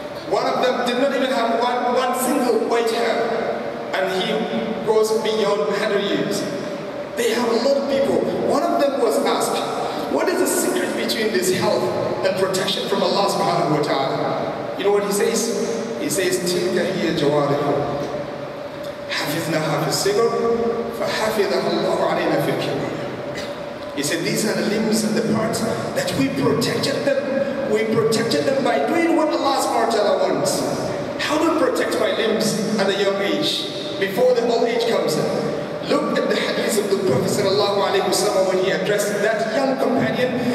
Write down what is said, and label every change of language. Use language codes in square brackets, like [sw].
[en] One of them did not even have one single white hair, and he goes beyond 100 years. They have a lot of people. One of them was asked, what is the secret between this health and protection from Allah subhanahu wa ta'ala? You know what he says? He says, [ar] تلك هي جوارحه حفظناها في الصغر فحفظها الله علينا في الكبر. [en] He said, these are the limbs and the parts that we protected them. We protected them by doing what Allah SWT wants. How do I protect my limbs at a young age? Before the old age comes, look at the hadith of the Prophet sallallahu alaihi wasallam when he addressed that young companion.